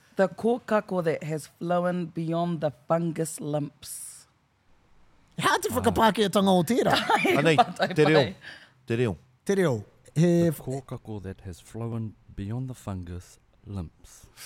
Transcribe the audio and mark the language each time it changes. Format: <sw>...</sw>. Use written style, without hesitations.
<en>The kō kako that has flown beyond the fungus lumps.</en> <mi>Hea te whakapākeatanga o tēra. Anei, te reo. Te reo. Te reo.</mi> <en>The kōkako that has flown beyond the fungus limps.</en>